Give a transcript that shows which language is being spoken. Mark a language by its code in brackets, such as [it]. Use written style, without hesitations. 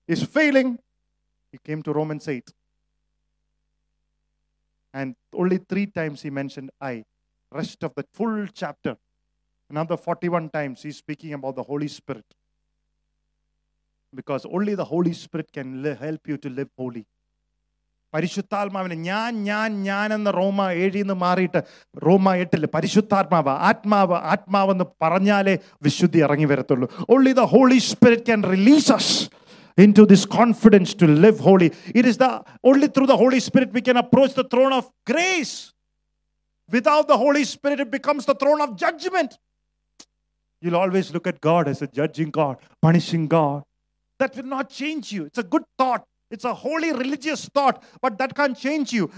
[en] He came to Romans 8. And only 3 times he mentioned I. Rest of the full chapter, another 41 times he's speaking about the Holy Spirit. Because only the Holy Spirit can help you to live holy. [ml] പരിശുദ്ധാത്മാവിനെ ഞാൻ എന്ന് റോമ 7 എന്ന് മാറിയിട്ട് റോമ 8 ൽ പരിശുദ്ധാത്മാവ് ആത്മാവെന്ന് പറഞ്ഞാലേ വിശുദ്ധി ഇറങ്ങി വരത്തുള്ളൂ. [en] Only the Holy Spirit can release us into this confidence to live holy. It is the only through the Holy Spirit we can approach the throne of grace. Without the Holy Spirit, it becomes the throne of judgment. You'll always look at God as a judging God, punishing God. That will not change you. It's a good thought. It's a holy religious thought, but that can't change you.